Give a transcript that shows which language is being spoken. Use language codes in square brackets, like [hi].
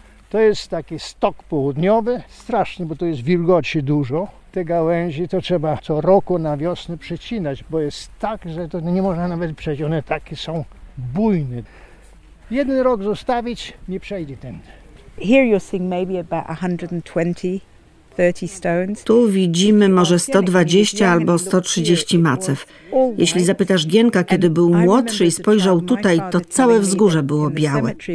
[pl] To jest taki stok południowy, straszny, bo tu jest wilgoci dużo. Te gałęzi to trzeba co roku na wiosnę przecinać, bo jest tak, że to nie można nawet przejść. One takie są bujne. Jeden rok zostawić, nie przejdzie ten. [en] Here you're seeing maybe about 120. [pl] Tu widzimy może 120 albo 130 macew. Jeśli zapytasz Gienka, kiedy był młodszy i spojrzał tutaj, to całe wzgórze było białe.